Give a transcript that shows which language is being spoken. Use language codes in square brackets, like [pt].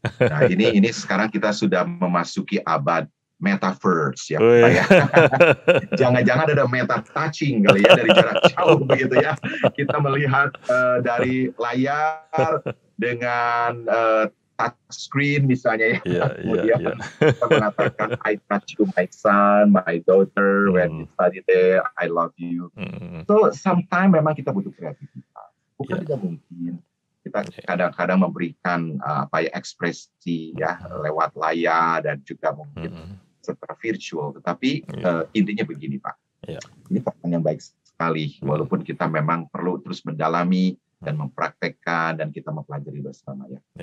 [id] Nah, ini sekarang kita sudah memasuki abad metaverse, ya, Pak, ya. Jangan-jangan ada meta-touching kali ya, dari jarak jauh begitu ya. Kita melihat dari layar dengan touchscreen misalnya ya. Kemudian kita mengatakan, [en] I touch you, my son, my daughter, when you study there, I love you. So, sometimes [id] memang kita butuh kreativitas. Bukan tidak mungkin. Kita kadang-kadang memberikan ekspresi ya lewat layar dan juga mungkin secara virtual. Tetapi intinya begini, Pak. Ini pertanyaan yang baik sekali. Walaupun kita memang perlu terus mendalami dan mempraktekkan dan kita mempelajari bersama. Ya.